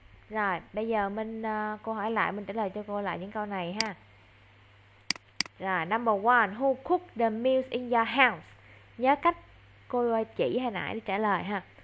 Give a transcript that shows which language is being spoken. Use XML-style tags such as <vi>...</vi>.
<vi>Rồi, bây giờ cô hỏi lại, mình trả lời cho cô lại những câu này ha.</vi> <en>Rồi, number one, who cook the meals in your house?</en> <vi>Nhớ cách cô chỉ hồi nãy để trả lời ha.</vi>